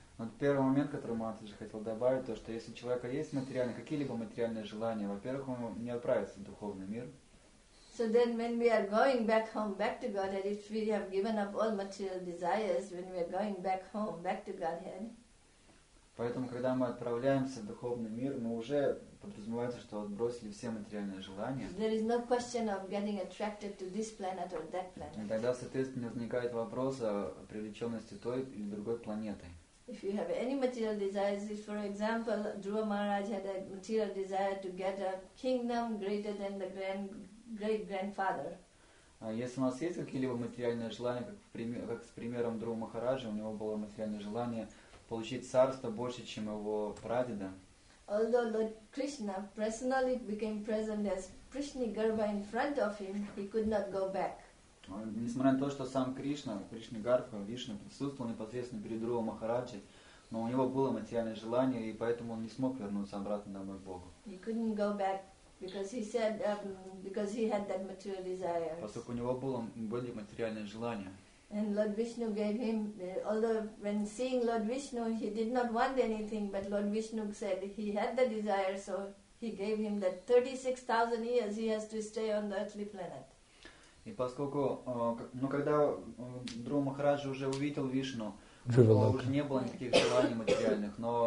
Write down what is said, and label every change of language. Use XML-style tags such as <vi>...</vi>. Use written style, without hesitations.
<ru>Вот первый момент, который Матаджи хотел добавить, то, что если у человека есть материальные, какие-либо материальные желания, во-первых, он не отправится в духовный мир.</ru> <en>So then when we are going back home, back to Godhead, if we have given up all material desires, when we are going back home, back to Godhead.</en> <ru>Поэтому, когда мы отправляемся в духовный мир, мы уже подразумеваем, что отбросили все материальные желания.</ru> <en>There is no question of getting attracted to this planet or that planet.</en> <ru>И тогда, соответственно, возникает вопрос о привлеченности той или другой планеты.</ru> <en>If you have any material desires, if for example Dhruva Maharaj had a material desire to get a kingdom greater than the great-grandfather.</en> <ru>Если у нас есть какие-либо материальные желания, как с примером Дхрува Махараджа, у него было материальное желание получить царство больше, чем его прадеда.</ru> <en>Although Lord Krishna personally became present as Prishnigarbha in front of him, he could not go back.</en> <ru>Несмотря на то, что сам Кришна, Кришнигарха, Вишна, присутствовал непосредственно перед Дхрува Махараджи, но у него было материальное желание, и поэтому он не смог вернуться обратно домой к Богу.</ru> <en>He couldn't go back because he said because he had that material desire.</en> <ru>Поскольку у него были материальные желания.</ru> <en>And Lord Vishnu gave him, although when seeing Lord Vishnu, he did not want anything, but Lord Vishnu said he had the desire, so he gave him that 36,000 years he has to stay on the earthly planet.</en> <ru>И поскольку, но когда Дхрува Махараджа уже увидел Вишну, у него уже не было никаких желаний материальных, но</ru>